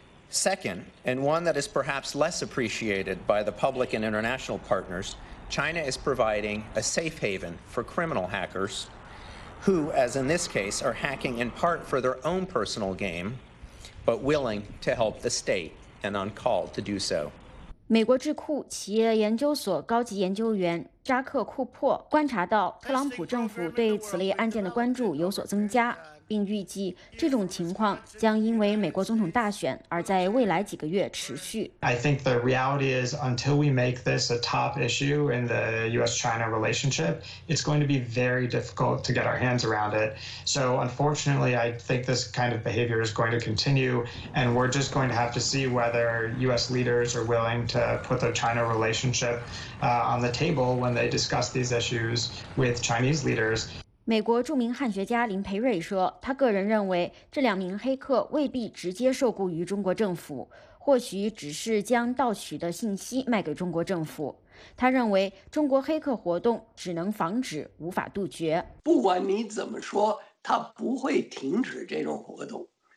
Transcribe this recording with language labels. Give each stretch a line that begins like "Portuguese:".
English: Second, and one that is perhaps less appreciated by the public and international partners, China is providing a safe haven for criminal hackers who, as in this case, are hacking in part for their own personal gain, but willing to help the state and on call to do so.
Chinese: 美国智库企业研究所高级研究员扎克·库珀观察到，特朗普政府对此类案件的关注有所增加，并预计这种情况将因为美国总统大选而在未来几个月持续。
English: I think the reality is, until we make this a top issue in the U.S.-China relationship, it's going to be very difficult to get our hands around it. So, unfortunately, I think this kind of behavior is going to continue, and we're just going to have to see whether U.S. leaders are willing to put their China relationship, on the table when they discuss these issues with Chinese leaders.
Chinese: 美国著名汉学家林培瑞说，他个人认为这两名黑客未必直接受雇于中国政府，或许只是将盗取的信息卖给中国政府。他认为中国黑客活动只能防止，无法杜绝。不管你怎么说，他不会停止这种活动。